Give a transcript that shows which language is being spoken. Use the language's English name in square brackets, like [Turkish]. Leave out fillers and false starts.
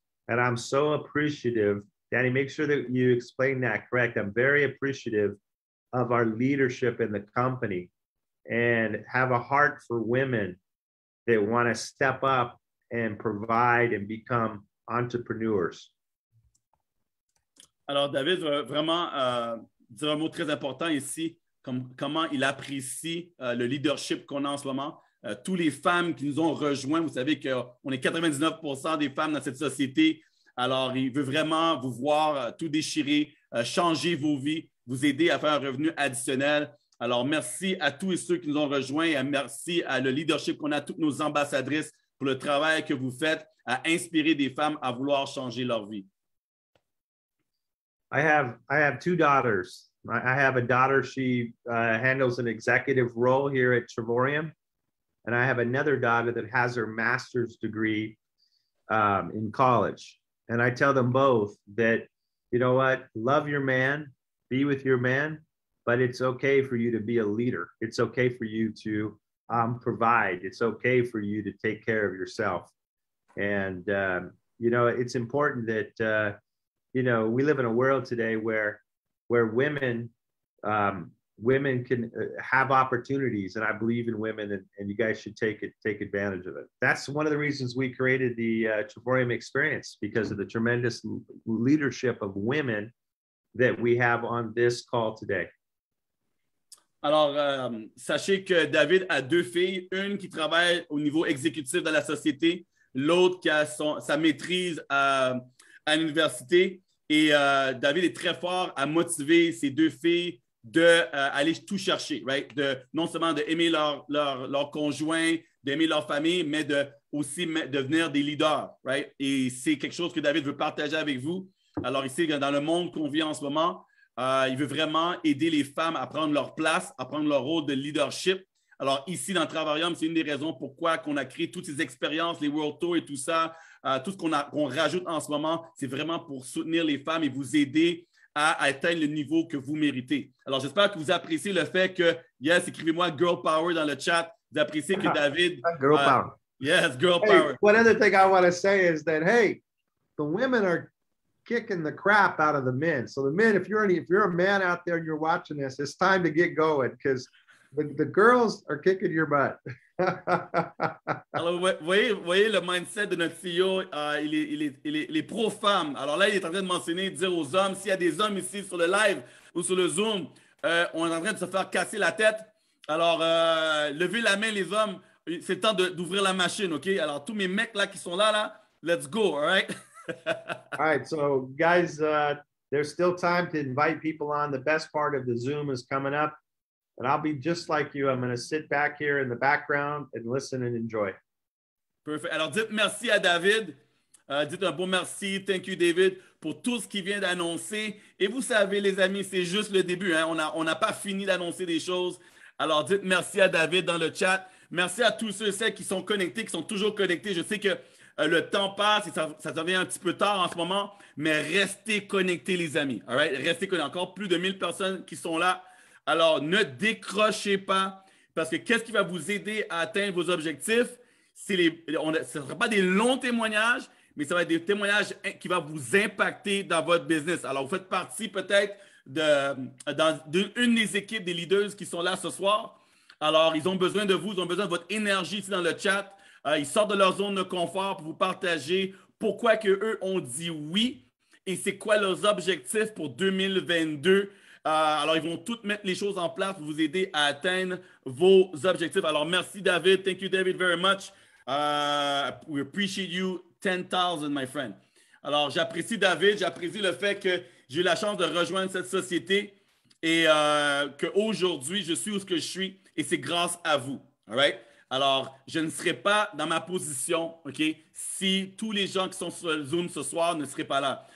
[English] And I'm so appreciative. Danny, make sure that you explain that correct. I'm very appreciative of our leadership in the company and have a heart for women that want to step up and provide and become entrepreneurs. [French] Alors, David, vraiment, dire un mot très important ici, comment il apprécie le leadership qu'on a en ce moment. Tous les femmes qui nous ont rejoints, vous savez qu'on est 99% des femmes dans cette société. Alors, il veut vraiment vous voir tout déchirer, changer vos vies, vous aider à faire un revenu additionnel. Alors, merci à tous et ceux qui nous ont rejoints et merci à le leadership qu'on a, toutes nos ambassadrices, pour le travail que vous faites à inspirer des femmes à vouloir changer leur vie. [English] I have two daughters. I have a daughter. She handles an executive role here at Trevorium. And I have another daughter that has her master's degree in college. And I tell them both that, you know what, love your man, be with your man, but it's okay for you to be a leader. It's okay for you to provide. It's okay for you to take care of yourself. And, you know, it's important that, you know, we live in a world today where women can have opportunities, and I believe in women, and you guys should take advantage of it. That's one of the reasons we created the Triforium Experience, because of the tremendous leadership of women that we have on this call today. [French] Alors, sachez que David a deux filles, une qui travaille au niveau exécutif dans la société, l'autre qui a sa maîtrise à l'université, et David est très fort à motiver ses deux filles de aller tout chercher, right? De non seulement de aimer leur conjoint, d'aimer leur famille, mais de aussi devenir des leaders, right? Et c'est quelque chose que David veut partager avec vous. Alors ici dans le monde qu'on vit en ce moment, il veut vraiment aider les femmes à prendre leur place, à prendre leur rôle de leadership. Alors ici dans Travarium, c'est une des raisons pourquoi qu'on a créé toutes ces expériences, les World Tour et tout ça, tout ce qu'on rajoute en ce moment, c'est vraiment pour soutenir les femmes et vous aider à atteindre le niveau que vous méritez. Alors, j'espère que vous appréciez le fait que, yes, écrivez-moi Girl Power dans le chat. Vous appréciez que David... [English] Girl Power. Yes, Girl Power. Hey, one other thing I want to say is that, hey, the women are kicking the crap out of the men. So the men, if you're a man out there and you're watching this, it's time to get going because the girls are kicking your butt. [French] Alors, voyez le mindset de notre CEO, il est pro-femme. Alors là, il est en train de mentionner, de dire aux hommes, s'il y a des hommes ici sur le live ou sur le Zoom, on est en train de se faire casser la tête. Alors, levez la main, les hommes, c'est le temps d'ouvrir la machine, OK? Alors, tous mes mecs là qui sont là, [English] let's go, all right? All right, so guys, there's still time to invite people on. The best part of the Zoom is coming up. And I'll be just like you. I'm going to sit back here in the background and listen and enjoy. Perfect. [French] Alors, dites merci à David. Dites un bon merci. [English] Thank you, [French] David, pour tout ce qu'il vient d'annoncer. Et vous savez, les amis, c'est juste le début. Hein? On a pas fini d'annoncer des choses. Alors, dites merci à David dans le chat. Merci à tous ceux et celles qui sont connectés, qui sont toujours connectés. Je sais que le temps passe et ça devient un petit peu tard en ce moment. Mais restez connectés, les amis. All right? Restez connectés. Encore plus de 1000 personnes qui sont là. Alors, ne décrochez pas, parce que qu'est-ce qui va vous aider à atteindre vos objectifs? Ce ne sera pas des longs témoignages, mais ça va être des témoignages qui vont vous impacter dans votre business. Alors, vous faites partie peut-être d'une des équipes des leaders qui sont là ce soir. Alors, ils ont besoin de vous, ils ont besoin de votre énergie ici dans le chat. Ils sortent de leur zone de confort pour vous partager pourquoi qu'eux ont dit oui et c'est quoi leurs objectifs pour 2022. Alors, ils vont toutes mettre les choses en place pour vous aider à atteindre vos objectifs. Alors, merci, David. [English] Thank you, David, very much. We appreciate you 10,000, my friend. [French] Alors, j'apprécie David. J'apprécie le fait que j'ai eu la chance de rejoindre cette société et qu'aujourd'hui, je suis où que je suis et c'est grâce à vous. All right? Alors, je ne serais pas dans ma position, OK, si tous les gens qui sont sur le Zoom ce soir ne seraient pas là.